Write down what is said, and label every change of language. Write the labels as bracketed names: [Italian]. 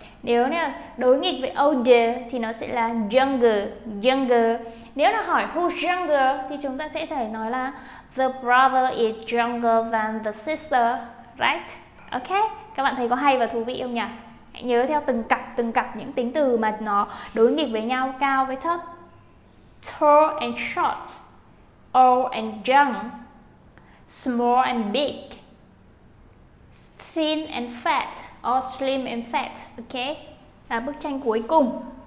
[Vietnamese] Nếu nè đối nghịch với older thì nó sẽ là younger. Nếu là hỏi [English] who's younger [Vietnamese] thì chúng ta sẽ phải nói là [English] the brother is younger than the sister, right? [Vietnamese] Ok, các bạn thấy có hay và thú vị không nhỉ? Hãy nhớ theo từng cặp những tính từ mà nó đối nghịch với nhau, cao với thấp. [English] Tall and short, old and young, small and big, thin and fat, or slim and fat. [Vietnamese] Ok, là bức tranh cuối cùng.